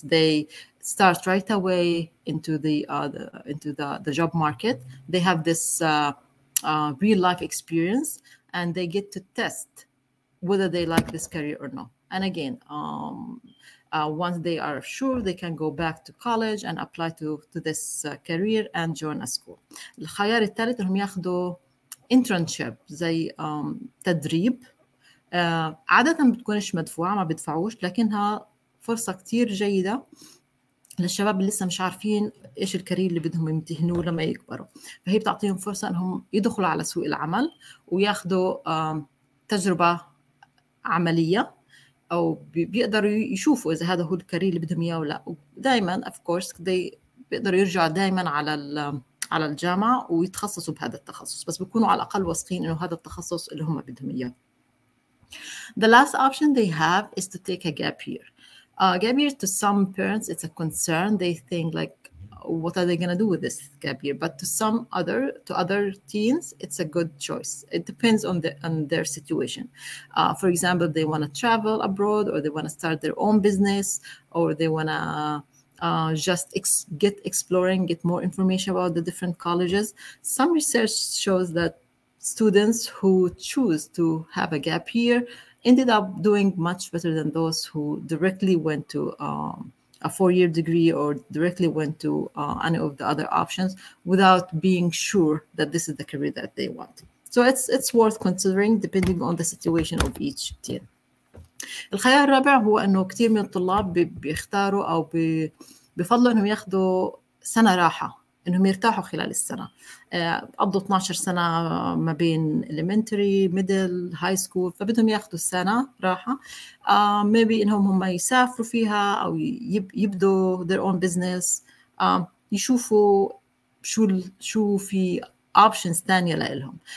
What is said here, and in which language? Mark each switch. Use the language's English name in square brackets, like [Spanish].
[English] They start right away into the job market. They have this real life experience, and they get to test whether they like this career or not. And again, once they are sure, they can go back to college and apply to this career and join a school. [Arabic] الخيار الثالث هم ياخذوا internship زي تدريب. عادة بتكونش مدفوعة, ما بيدفعوش, لكنها فرصة كتير جيدة للشباب اللي لسه مش عارفين ايش الكارير اللي بدهم يمتهنوه لما يكبروا. فهي بتعطيهم فرصة انهم يدخلوا على سوق العمل وياخذوا تجربة عملية, او بيقدروا يشوفوا اذا هذا هو الكارير اللي بدهم اياه ولا. ودائما اوف كورس بيقدروا يرجعوا دائما على الجامعة ويتخصصوا بهذا التخصص, بس بيكونوا على الاقل واثقين انه هذا التخصص اللي هم بدهم اياه. [English] The last option they have is to take a gap year. Gap year to some parents it's a concern. They think like, what are they going to do with this gap year? But to other teens, it's a good choice. It depends on their situation. For example, they want to travel abroad, or they want to start their own business, or they want to just get exploring, get more information about the different colleges. Some research shows that students who choose to have a gap year ended up doing much better than those who directly went to a four-year degree or directly went to any of the other options without being sure that this is the career that they want. So it's worth considering depending on the situation of each teen. [Arabic] الخيار الرابع هو أنه كتير من الطلاب بيختاروا أو بفضلوا أنهم ياخذوا سنة راحة انهم يرتاحوا خلال السنه. قضوا 12 سنه ما بين [English] elementary, middle, high school, [Arabic] فبدهم ياخذوا السنه راحه [English] maybe [Arabic] انهم هم يسافروا فيها او يبدوا [English] their own business, [Arabic] يشوفوا شو في options ثانيه لهم.